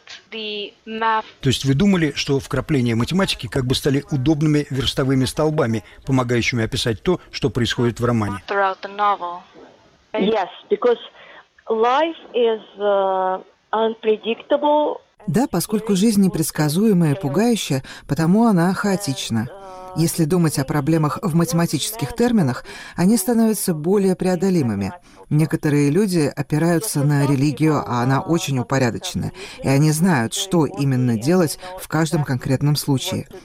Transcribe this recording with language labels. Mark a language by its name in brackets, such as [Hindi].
[Russian] То есть вы думали, что вкрапления математики как бы стали удобными верстовыми столбами, помогающими описать то, что происходит в романе? [English] Yes, because life is unpredictable. [Russian] Да, поскольку жизнь непредсказуемая и пугающая, потому она хаотична. Если думать о проблемах в математических терминах, они становятся более преодолимыми. Некоторые люди опираются на религию, а она очень упорядочена, и они знают, что именно делать в каждом конкретном случае.